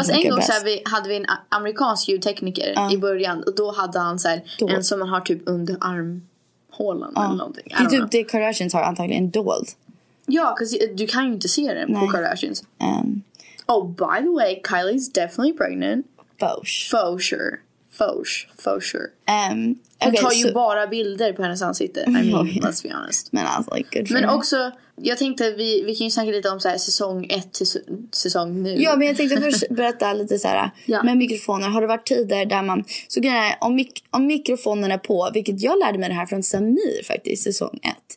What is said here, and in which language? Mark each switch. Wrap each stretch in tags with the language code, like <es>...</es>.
<sv>en gång så här, vi, hade vi en amerikansk ljudtekniker i början och då hade han så här, en som man har typ under arm. Hålan eller någonting. Det är typ det Kardashians har antagligen dold. Ja, du kan ju inte se den på Kardashians.</sv> <en>Oh, by the way, Kylie's definitely pregnant. Faux sure.</en> <sv>Okay, hon tar ju bara bilder på hennes ansikte.</sv> <en>I mean, let's be honest. Men, I was like, good for</en> <sv>men också, jag tänkte att vi kan ju snacka lite om så här, säsong 1 till säsong nu. Ja, men jag tänkte först berätta lite så här. Ja. Med mikrofoner, har det varit tider där man... Så grejen är, om mikrofonen är på, vilket jag lärde mig det här från Samir faktiskt, säsong 1.</sv>